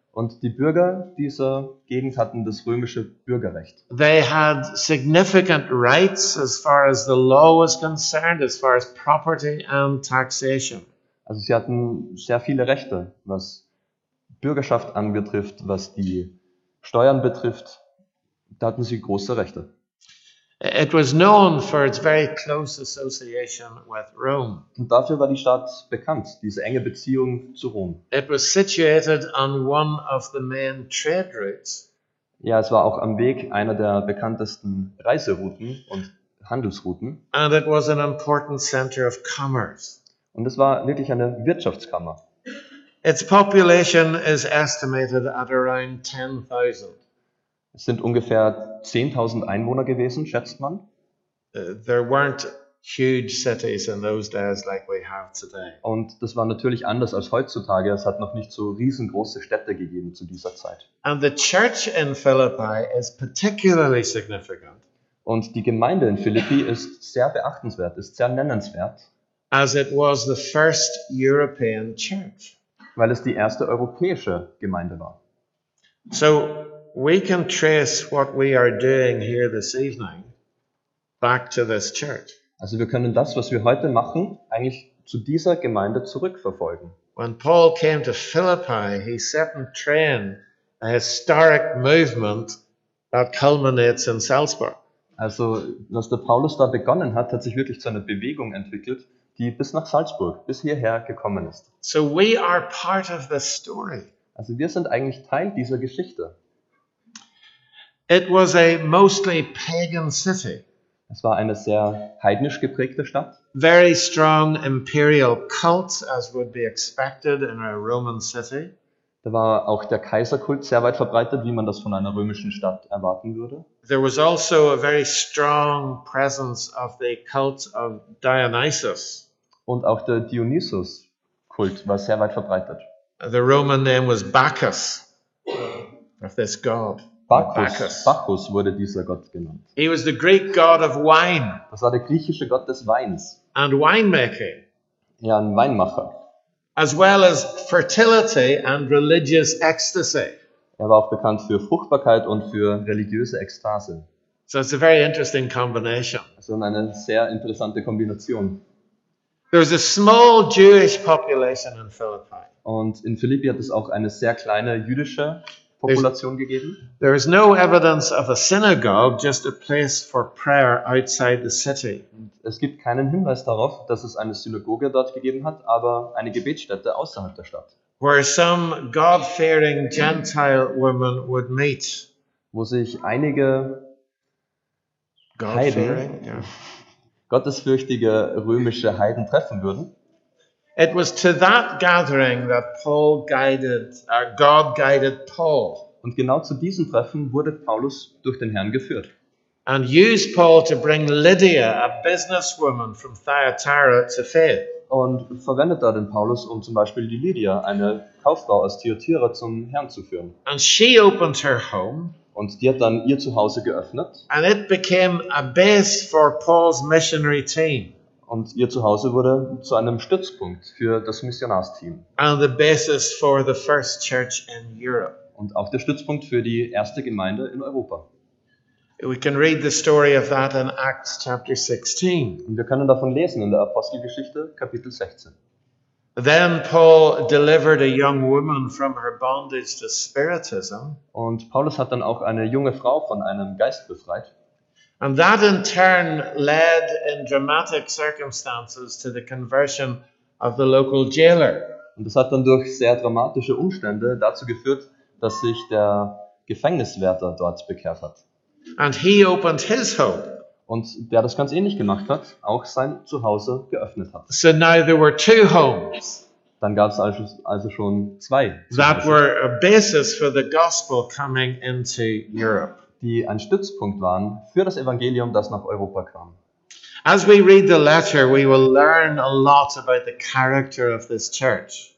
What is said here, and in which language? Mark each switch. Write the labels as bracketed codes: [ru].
[de] Und die Bürger dieser Gegend hatten das römische Bürgerrecht. [en] They had significant rights as far as the law was concerned, as far as property and taxation. [de] Also sie hatten sehr viele Rechte, was Bürgerschaft anbetrifft, was die Steuern betrifft, da hatten sie große Rechte. [en] It was known for its very close association with Rome. [de] Und dafür war die Stadt bekannt, diese enge Beziehung zu Rom. [en] It was situated on one of the main trade routes. [de] Ja, es war auch am Weg einer der bekanntesten Reiserouten und Handelsrouten. [en] And it was an important center of commerce. [de] Und es war wirklich eine Wirtschaftskammer. [en] Its population is estimated at around 10,000. [de] Es sind ungefähr 10.000 Einwohner gewesen, schätzt man. [en] There weren't huge cities in those days like we have today. [de] Und das war natürlich anders als heutzutage. Es hat noch nicht so riesengroße Städte gegeben zu dieser Zeit. [en] And the church in Philippi is particularly significant. [de] Und die Gemeinde in Philippi ist sehr beachtenswert, ist sehr nennenswert. [en] As it was the first European church. [de] Weil es die erste europäische Gemeinde war. [en] So we can trace what we are doing here this evening back to this church. [de] Also wir können das, was wir heute machen, eigentlich zu dieser Gemeinde zurückverfolgen. [en] When Paul came to Philippi, he set in train a historic movement that culminates in Salzburg. [de] Also was der Paulus da begonnen hat, hat sich wirklich zu einer Bewegung entwickelt, die bis nach Salzburg, bis hierher gekommen ist. [en] So we are part of the story. [de] Also wir sind eigentlich Teil dieser Geschichte. [en] It was a mostly pagan city. [de] Es war eine sehr heidnisch geprägte Stadt. [en] Very strong imperial cult, as would be expected in a Roman city. [de] Da war auch der Kaiserkult sehr weit verbreitet, wie man das von einer römischen Stadt erwarten würde. [en] There was also a very strong presence of the cult of Dionysus. [de] Und auch der Dionysus-Kult war sehr weit verbreitet. [en] The Roman name was Bacchus, of this god. [de] Bacchus wurde dieser Gott genannt. [en] He was the Greek god of wine. [de] Das war der griechische Gott des Weins. [en] And winemaking. [de] Ja, ein Weinmacher. [en] As well as fertility and religious ecstasy. [de] Er war auch bekannt für Fruchtbarkeit und für religiöse Ekstase. [en] So it's a very interesting combination. [de] Also eine sehr interessante Kombination. [en] There was a small Jewish population in Philippi. [de] Und in Philippi hat es auch eine sehr kleine jüdische Population gegeben. [en] There is no evidence of a synagogue, just a place for prayer outside the city. [de] Es gibt keinen Hinweis darauf, dass es eine Synagoge dort gegeben hat, aber eine Gebetsstätte außerhalb der Stadt. [en] Where some God-fearing Gentile women would meet. [de] Wo sich einige [en] God-fearing, [de] Heiden, gottesfürchtige römische Heiden treffen würden. [en] It was to that gathering that Paul guided, God guided Paul. [de] Und genau zu diesem Treffen wurde Paulus durch den Herrn geführt. [en] And used Paul to bring Lydia, a businesswoman from Thyatira, to faith. [de] Und verwendet da den Paulus, um zum Beispiel die Lydia, eine Kauffrau aus Thyatira, zum Herrn zu führen. [en] And she opened her home. [de] Und die hat dann ihr Zuhause geöffnet. [en] And it became a base for Paul's missionary team. [de] Und ihr Zuhause wurde zu einem Stützpunkt für das Missionarsteam. [en] And the basis for the first church in Europe. [de] Und auch der Stützpunkt für die erste Gemeinde in Europa. [en] We can read the story of that in Acts chapter 16. [de] Und wir können davon lesen in der Apostelgeschichte, Kapitel 16. [en] Then Paul delivered a young woman from her bondage to spiritism. [de] Und Paulus hat dann auch eine junge Frau von einem Geist befreit. [en] And that in turn led in dramatic circumstances to the conversion of the local jailer. [de] Und das hat dann durch sehr dramatische Umstände dazu geführt, dass sich der Gefängniswärter dort bekehrt hat. [en] And he opened his home. [de] Und der das ganz ähnlich gemacht hat, auch sein Zuhause geöffnet hat. [en] So now there were two homes. [de] Dann gab es also schon zwei. [en] That were a basis for the gospel coming into Europe. [de] Die ein Stützpunkt waren für das Evangelium, das nach Europa kam. [en] As we read the letter, we will learn a lot about the character of this church.